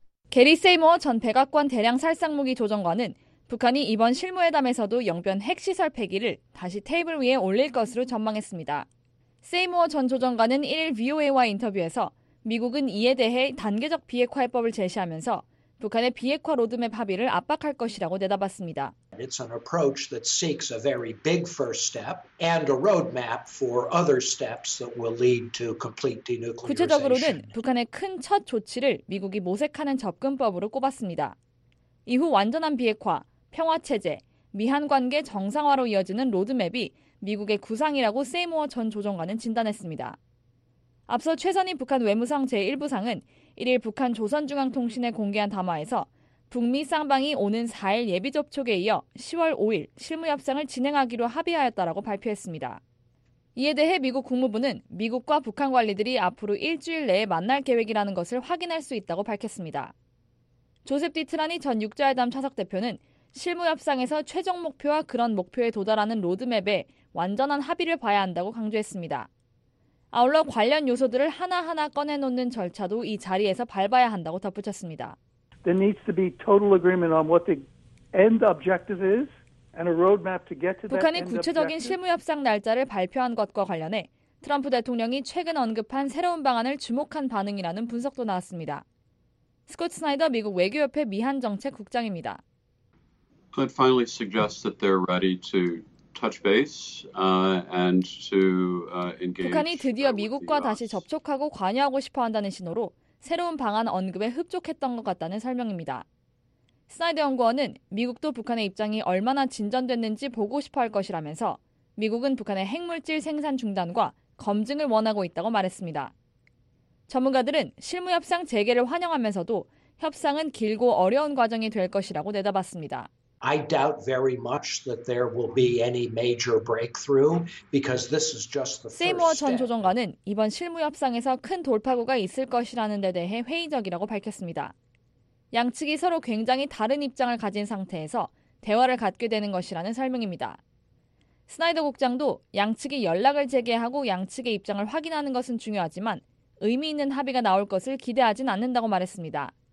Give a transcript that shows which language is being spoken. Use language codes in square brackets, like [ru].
[ko] 게리 세이머 전 백악관 대량살상무기 조정관은 북한이 이번 실무회담에서도 영변 핵시설 폐기를 다시 테이블 위에 올릴 것으로 전망했습니다. 세이모어 전 조정관은 1일 VOA와 인터뷰에서 미국은 이에 대해 단계적 비핵화 해법을 제시하면서 북한의 비핵화 로드맵 합의를 압박할 것이라고 내다봤습니다. [en] It's an approach that seeks a very big first step and a roadmap for other steps that will lead to complete denuclearization. [ko] 구체적으로는 북한의 큰 첫 조치를 미국이 모색하는 접근법으로 꼽았습니다. 이후 완전한 비핵화, 평화 체제, 미한 관계 정상화로 이어지는 로드맵이 미국의 구상이라고 세이모어 전 조정관은 진단했습니다. 앞서 최선희 북한 외무상 제1부상은 1일 북한 조선중앙통신에 공개한 담화에서 북미 쌍방이 오는 4일 예비접촉에 이어 10월 5일 실무협상을 진행하기로 합의하였다라고 발표했습니다. 이에 대해 미국 국무부는 미국과 북한 관리들이 앞으로 일주일 내에 만날 계획이라는 것을 확인할 수 있다고 밝혔습니다. 조셉 디트라니 전 육자회담 차석 대표는 실무협상에서 최종 목표와 그런 목표에 도달하는 로드맵에 완전한 합의를 봐야 한다고 강조했습니다. 아울러 관련 요소들을 하나하나 꺼내놓는 절차도 이 자리에서 밟아야 한다고 덧붙였습니다. [en] There needs to be total agreement on what the end objective is and a roadmap to get to that. [ko] 북한이 구체적인 실무협상 날짜를 발표한 것과 관련해 트럼프 대통령이 최근 언급한 새로운 방안을 주목한 반응이라는 분석도 나왔습니다. 스콧 스나이더 미국 외교협회 미한정책 국장입니다. [en] Clint finally suggests that they're ready to touch base and to engage. [ko] 북한이 드디어 미국과 다시 접촉하고 관여하고 싶어 한다는 신호로 새로운 방안 언급에 흡족했던 것 같다는 설명입니다. 스나이더 연구원은 미국도 북한의 입장이 얼마나 진전됐는지 보고 싶어 할 것이라면서 미국은 북한의 핵물질 생산 중단과 검증을 원하고 있다고 말했습니다. 전문가들은 실무협상 재개를 환영하면서도 협상은 길고 어려운 과정이 될 것이라고 내다봤습니다. [en] I doubt very much that there will be any major breakthrough because this is just the first step. [ko] 세이머 전 조정관은 이번 실무 협상에서 큰 돌파구가 있을 것이라는 데 대해 회의적이라고 밝혔습니다. 양측이 서로 굉장히 다른 입장을 가진 상태에서 대화를 갖게 되는 것이라는 설명입니다. 스나이더 국장도 양측이 연락을 재개하고 양측의 입장을 확인하는 것은 중요하지만 의미 있는 합의가 나올 것을 기대하진 않는다고 말했습니다.